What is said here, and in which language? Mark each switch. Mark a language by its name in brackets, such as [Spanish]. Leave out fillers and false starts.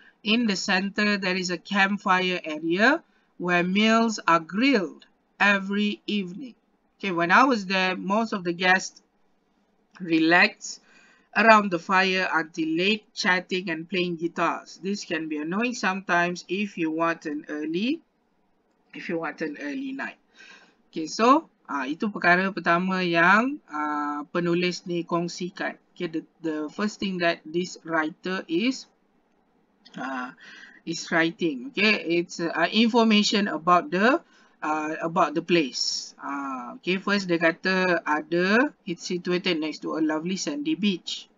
[English] In the center, there is a campfire area where meals are grilled every evening. Okay, when I was there, most of the guests relaxed around the fire until late, chatting and playing guitars. This can be annoying sometimes if you want an early night. [Malay] Okay, so itu perkara pertama yang penulis ni kongsikan. [English] Okay, the first thing that this writer is writing. Okay, it's information about the place. Okay, first [Malay] dia kata ada, [English] it's situated next to a lovely sandy beach.